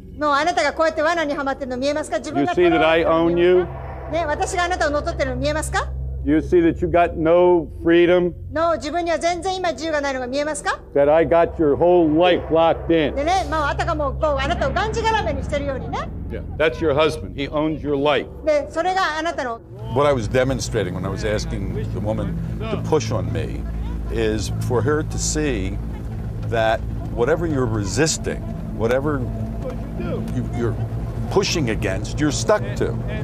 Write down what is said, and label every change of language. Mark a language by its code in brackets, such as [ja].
[ja] No, あなたがこうやって罠にはまってるの見えますか? 自分が [en] You see that I own you? [ja] ね、私があなたを乗っ取ってるの見えますか? [en] You see that you got no freedom? [ja] No, 自分には全然今自由がないのが見えますか? [en] That I got your whole life locked in. [ja] でね、まあ、あたかもこうあなたをがんじがらめにしてるようにね。 [en] Yeah, that's your husband. He owns your life. [ja] で、それがあなたの。 [en] What I was demonstrating when I was asking the woman to push on me is for her to see that whatever you're resisting, whatever you're pushing against, you're stuck to.